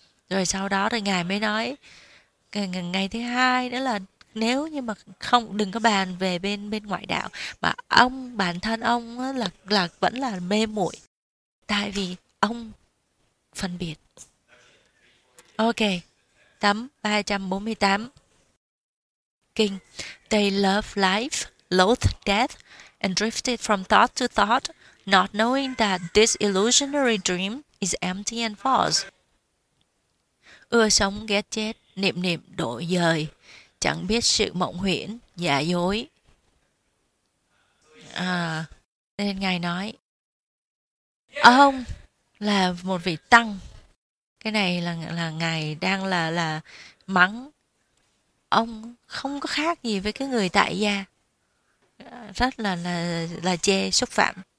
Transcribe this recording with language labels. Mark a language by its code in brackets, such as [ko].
[vi] Rồi sau đó thì ngài mới nói ngày thứ hai nữa là nếu như mà không, đừng có bàn về bên bên ngoại đạo, mà ông bản thân ông là vẫn là mê muội tại vì ông phân biệt. [en] Ok, [vi] tấm 348, kinh: [en] They love life, loathe death, and drifted from thought to thought, not knowing that this illusionary dream is empty and false. [vi] Ưa sống ghét chết, niệm niệm đổi dời, chẳng biết sự mộng huyễn giả dối. À, nên ngài nói ông là một vị tăng. Cái này là ngài đang là mắng ông không có khác gì với cái người tại gia, rất là chê, xúc phạm.